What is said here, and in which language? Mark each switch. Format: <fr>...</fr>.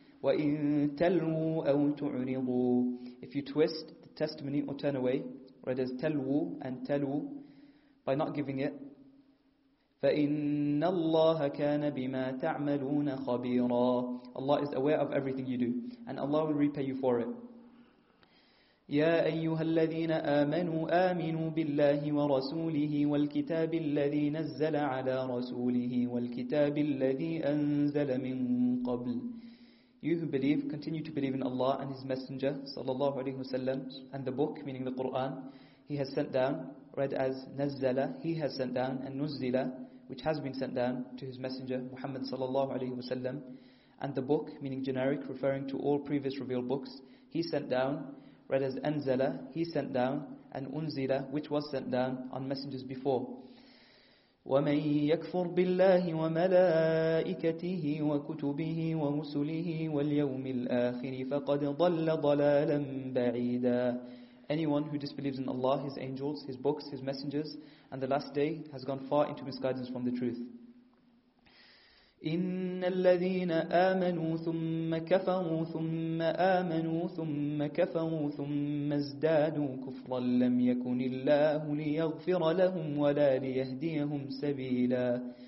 <ar>وَإِن تَلْوُوا أَوْ تُعْرِضُوا.</ar> <en>If you twist the testimony or turn away, read as تَلْوُوا and تَلْوُوا, by not giving it.</en> <ar>فَإِنَّ اللَّهَ كَانَ بِمَا تَعْمَلُونَ خَبِيرًا.</ar> <en>Allah is aware of everything you do, and Allah will repay you for it.</en> <ar>يا أيها الذين آمنوا آمنوا بالله ورسوله والكتاب الذي نزل على رسوله والكتاب الذي أنزل من قبل.</ar> <en>You who believe, continue to believe in Allah and His Messenger,</en> <ar>صلى الله عليه وسلم,</ar> <en>and the book, meaning the Quran, He has sent down, read as نزل, He has sent down, and نزل, which has been sent down to His Messenger, Muhammad صلى الله عليه وسلم, and the book, meaning generic, referring to all previous revealed books, He sent down, read as أنزل, He sent down, and أنزل, which was sent down on messengers before.</en> <ar>ومن يكفر بالله وملائكته وكتبه ورسله واليوم الآخر فقد ضل ضلالا بعيدا.</ar> <en>Anyone who disbelieves in Allah, His angels, His books, His messengers, and the last day has gone far into misguidance from the truth.</en> <ar>إِنَّ الَّذِينَ آمَنُوا ثُمَّ كَفَرُوا ثُمَّ آمَنُوا ثُمَّ كَفَرُوا ثُمَّ ازْدَادُوا كُفْرًا لَمْ يَكُنِ اللَّهُ لِيَغْفِرَ لَهُمْ وَلَا لِيَهْدِيَهُمْ سَبِيلًا.</ar>